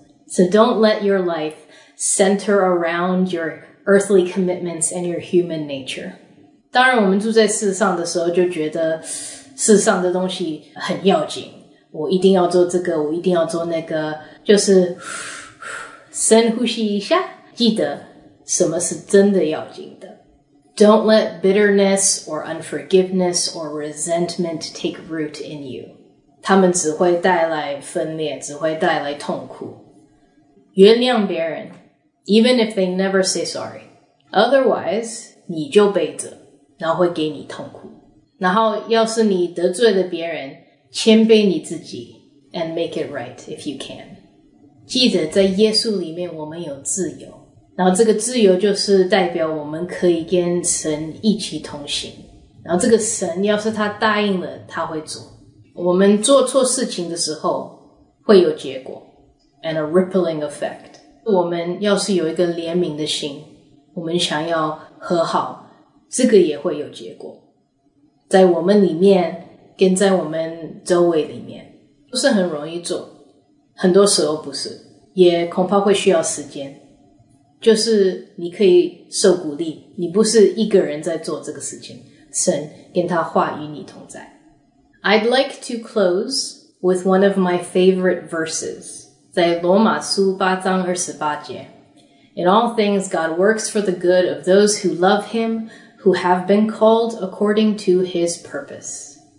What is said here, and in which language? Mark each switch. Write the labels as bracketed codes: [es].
[en] So don't let your lifeCenter around your earthly commitments and your human nature. [zh] 当然我们住在世上的时候就觉得世上的东西很要紧，我一定要做这个，我一定要做那个，就是深呼吸一下，记得什么是真的要紧的。 [en] Don't let bitterness or unforgiveness or resentment take root in you. [zh] 他们只会带来分裂，只会带来痛苦。原谅别人， [en] even if they never say sorry. Otherwise, [zh] 你就背着，然后会给你痛苦。然后要是你得罪了别人，谦卑你自己 [en] and make it right if you can. [zh] 记得在耶稣里面我们有自由，然后这个自由就是代表我们可以跟神一起同行。然后这个神要是他答应了，他会做。我们做错事情的时候会有结果 [en] and a rippling effect. [zh] 我们要是有一个怜悯的心，我们想要和好，这个也会有结果，在我们里面跟在我们周围里面不是很容易做，很多时候不是，也恐怕会需要时间，就是你可以受鼓励，你不是一个人在做这个事情，神跟他话与你同在。 [en] I'd like to close with one of my favorite verses. [zh] 在罗马书八章二十八节 [en] In all things God works for the good of those who love him, who have been called according to his purpose.